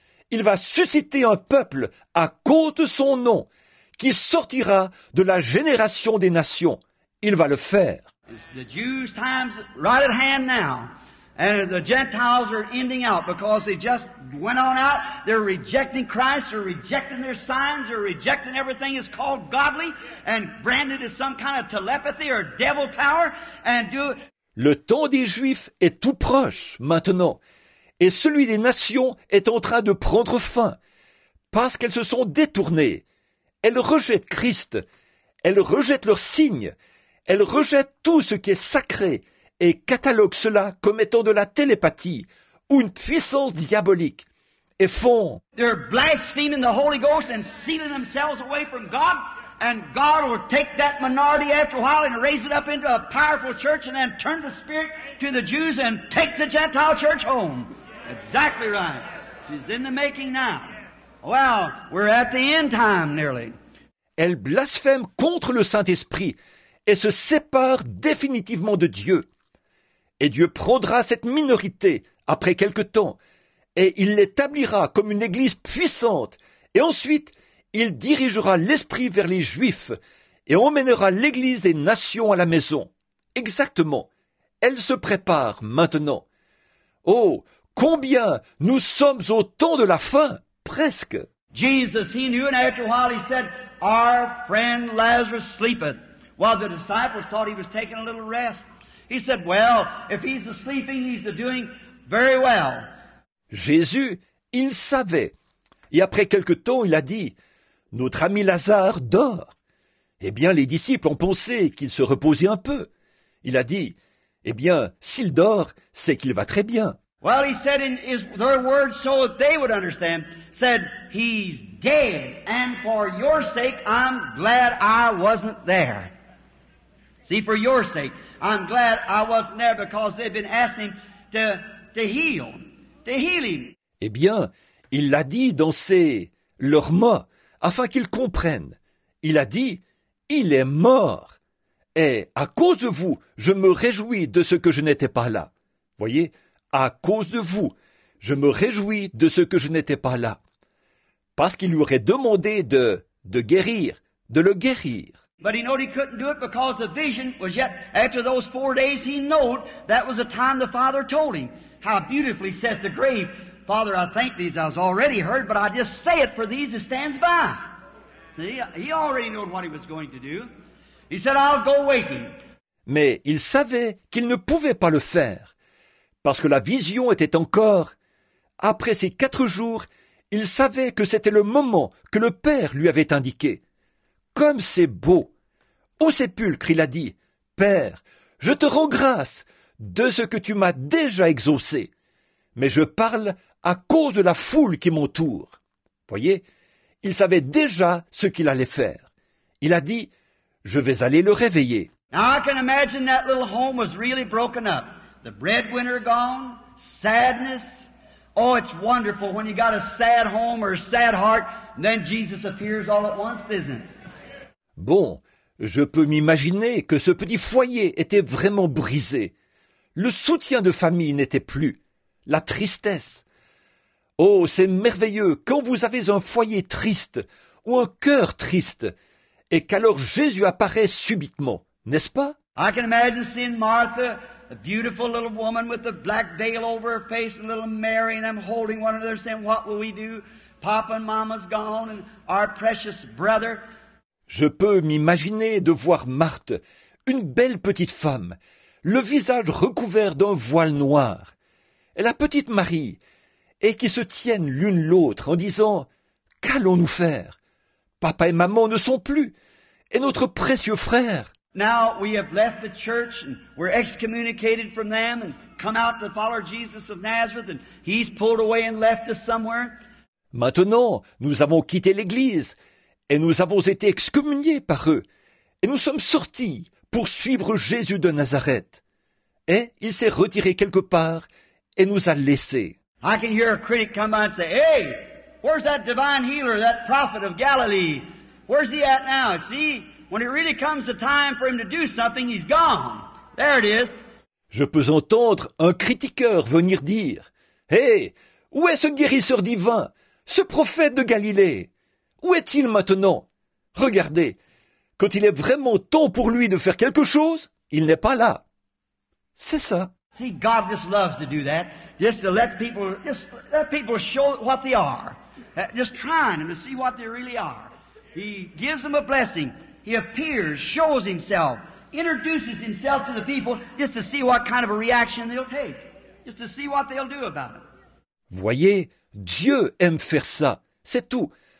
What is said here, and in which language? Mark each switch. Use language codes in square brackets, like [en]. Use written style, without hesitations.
[fr] Il va susciter un peuple à cause de son nom qui sortira de la génération des nations. Il va le faire. [en] The Jews' time's right at hand now. And the Gentiles are ending out because they just went on out. They're rejecting Christ. They're rejecting their signs. They're rejecting everything that's called godly and branded as some kind of telepathy or devil power. And do it. [fr] Le temps des Juifs est tout proche maintenant. Et celui des nations est en train de prendre fin parce qu'elles se sont détournées. Elles rejettent Christ. Elles rejettent leurs signes. Elles rejettent tout ce qui est sacré et cataloguent cela comme étant de la télépathie ou une puissance diabolique et font [en] « They're blaspheming the Holy Ghost and sealing themselves away from God and God will take that minority after a while and raise it up into a powerful church and then turn the Spirit to the Jews and take the Gentile church home. » Exactly right. She's in the making now. Well, we're at the end time nearly. [fr] Elles blasphèment contre le Saint-Esprit et se sépare définitivement de Dieu. Et Dieu prendra cette minorité après quelque temps, et il l'établira comme une église puissante, et ensuite, il dirigera l'esprit vers les Juifs, et emmènera l'église des nations à la maison. Exactement. Elle se prépare maintenant. Oh, combien nous sommes au temps de la fin, presque. [en] Jesus, he knew, and after a while he said, our friend Lazarus sleepeth. While the disciples thought he was taking a little rest, he said, well, if he's asleep, he's doing very well. [fr] Jésus, il savait. Et après quelque temps, il a dit, notre ami Lazare dort. Eh bien, les disciples ont pensé qu'il se reposait un peu. Il a dit, eh bien, s'il dort, c'est qu'il va très bien. [en] Well, he said in his, their words so that they would understand, said, he's dead, and for your sake, I'm glad I wasn't there. See, for your sake, I'm glad I wasn't there because they've been asking him to heal him. [fr] Eh bien, il l'a dit dans ses leurs mots, afin qu'ils comprennent. Il a dit, il est mort, et à cause de vous, je me réjouis de ce que je n'étais pas là. Voyez, à cause de vous, je me réjouis de ce que je n'étais pas là. Parce qu'il lui aurait demandé de le guérir. [en] But he knew he couldn't do it because the vision was yet, after those 4 days, he knew that was the time the Father told him. How beautifully saith the grave, Father, I thank these, I was already heard, but I just say it for these that stands by. He already knew what he was going to do. He said, I'll go waking. [fr] Mais il savait qu'il ne pouvait pas le faire, parce que la vision était encore. Après ces 4 jours, il savait que c'était le moment que le Père lui avait indiqué. Comme c'est beau. Au sépulcre, il a dit, Père, je te rends grâce de ce que tu m'as déjà exaucé. Mais je parle à cause de la foule qui m'entoure. Voyez, Il savait déjà ce qu'il allait faire. Il a dit, « Je vais aller le réveiller. » [en] Now I can imagine that little home was really broken up. The breadwinner gone, sadness. Oh, it's wonderful when you got a sad home or a sad heart, then Jesus appears all at once, isn't it? [fr] Bon, je peux m'imaginer que ce petit foyer était vraiment brisé. Le soutien de famille n'était plus. La tristesse. Oh, c'est merveilleux quand vous avez un foyer triste ou un cœur triste et qu'alors Jésus apparaît subitement. N'est-ce pas? [en] I can imagine seeing Martha, a beautiful little woman with a black veil over her face, and little Mary and them holding one another, saying, "What will we do? Papa and Mama's gone, and our precious brother." [fr] Je peux m'imaginer de voir Martha, une belle petite femme, le visage recouvert d'un voile noir, et la petite Marie, et qui se tiennent l'une l'autre en disant, "Qu'allons-nous faire? Papa et maman ne sont plus, et notre précieux frère." [en] Now we have left the church and we're excommunicated from them and come out to follow Jesus of Nazareth and he's pulled away and left us somewhere. [fr] Maintenant, nous avons quitté l'église et nous avons été excommuniés par eux et nous sommes sortis pour suivre Jésus de Nazareth. Et il s'est retiré quelque part et nous a laissés. [en] I can hear a critic come by and say, "Hey, where's that divine healer, that prophet of Galilee? Where's he at now? See?" When it really comes the time for him to do something, he's gone. There it is. [fr] Je peux entendre un critiqueur venir dire, « Hey, où est ce guérisseur divin, ce prophète de Galilée? Où est-il maintenant? Regardez, quand il est vraiment temps pour lui de faire quelque chose, il n'est pas là. » C'est ça. [en] See, God just loves to do that, just to let people show what they are. Just trying them to see what they really are. He gives them a blessing. He appears, shows himself, introduces himself to the people just to see what kind of a reaction they'll take, just to see what they'll do about it. [fr] Voyez, Dieu aime faire ça, c'est tout.